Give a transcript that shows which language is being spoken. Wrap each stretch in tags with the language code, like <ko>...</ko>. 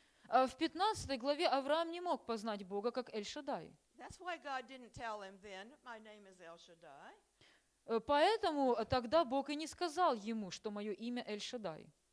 <ru>В 15 главе Авраам не мог познать Бога как Эль-Шаддай.</ru> <en>That's why God didn't tell him then, my name is El Shaddai.</en> <ru>Поэтому тогда Бог и не сказал ему, что мое имя Эль-Шаддай.</ru>